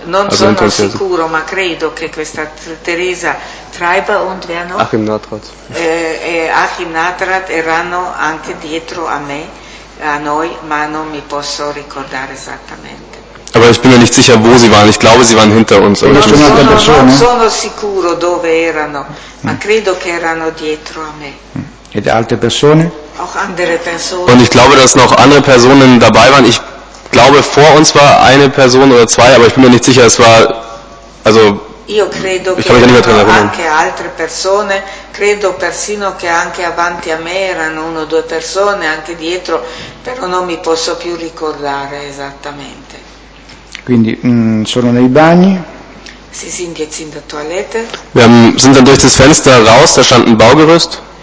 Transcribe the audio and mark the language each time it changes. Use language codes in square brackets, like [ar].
[it] Non also sono sicuro, ma credo che questa Teresa Treiber [de] und wer noch? [it] Achim Nathrat. Achim Nathrat erano anche dietro a me, a noi, ma non mi posso ricordare esattamente. [de] Aber ich bin mir nicht sicher, wo sie waren. Ich glaube, sie waren hinter uns. [it] Non sono, non sono sicuro dove erano, ma credo che erano dietro a me. Ed altre persone? [de] Auch andere Personen. Und ich glaube, dass noch andere Personen dabei waren. Ich glaube, vor uns war eine Person oder zwei, aber ich bin mir nicht sicher, es war, also, [it] io credo [de] ich kann mich nicht mehr daran erinnern. [it] Anche altre persone. Credo persino che anche avanti a me erano uno o due persone, anche dietro, però non mi posso più ricordare esattamente. Quindi, sono nei bagni. [de] Sie sind jetzt in der Toilette. Wir sind dann durch das Fenster raus, da stand ein Baugerüst.